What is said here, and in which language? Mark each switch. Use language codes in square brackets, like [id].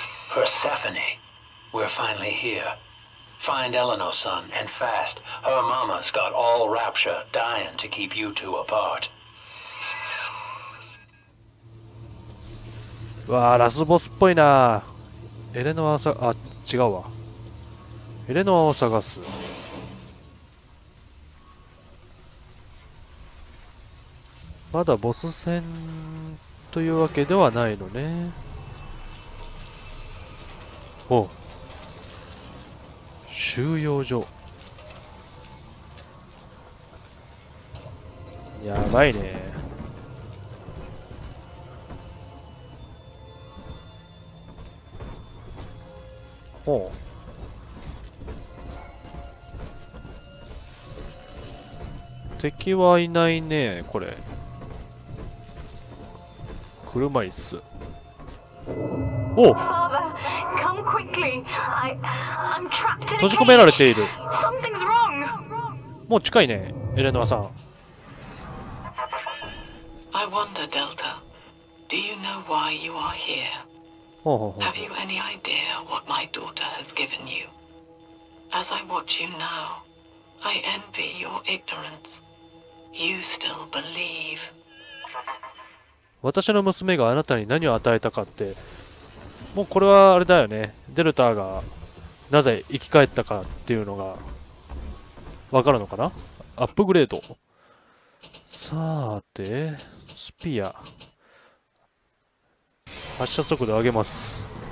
[en] Persephone, we're finally here. Find Eleanor's son and fast. Her mama's got all rapture, dying to keep you two apart. [ja] わあ、ラスボスっぽいな。エレノアさ、あ、違うわ。エレノアを探す。まだボス戦というわけではないのね。お、収容所。やばいね。おう、敵はいないね。これ車椅子。おっ、閉じ込められている。もう近いね、エレノアさん。 [en] I wonder, Delta, do you know why you are here? Have you any idea what my daughter has given you? As I watch you now, I envy your ignorance. You still believe. [ja] 私の娘があなたに何を与えたかって、もうこれはあれだよね。デルタがなぜ生き返ったかっていうのがわかるのかな。アップグレード。さーて、スピア発射速度上げます。